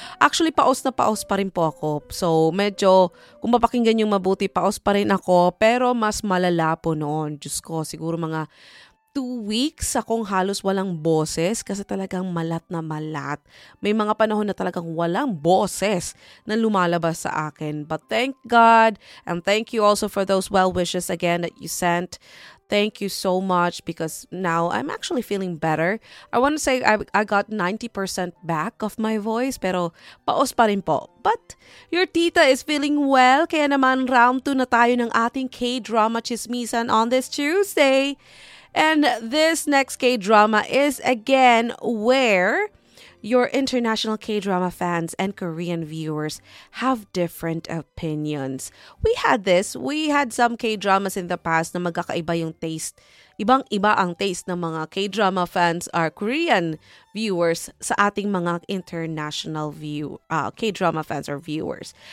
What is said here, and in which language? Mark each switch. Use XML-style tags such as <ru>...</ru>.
<tl>Actually, paos pa rin po ako. So medyo, kung mapakinggan nyo mabuti, paos pa rin ako. Pero mas malala po noon. Diyos ko, siguro mga 2 weeks akong halos walang boses kasi talagang malat na malat. May mga panahon na talagang walang boses na lumalabas sa akin.</tl> <en>But thank God, and thank you also for those well wishes again that you sent. Thank you so much because now I'm actually feeling better. I want to say I got 90% back of my voice,</en> <tl>pero paos pa rin po.</tl> <en>But your tita is feeling well,</en> <tl>kaya naman round 2 na tayo ng ating K-drama chismisan</tl> <en>on this Tuesday. And this next K-drama is again where your international K-drama fans and Korean viewers have different opinions. We had some K-dramas in the past</en> <tl>na magkakaiba yung taste. Ibang-iba ang taste ng mga K-drama fans or Korean viewers sa ating mga international K-drama fans or viewers.</tl>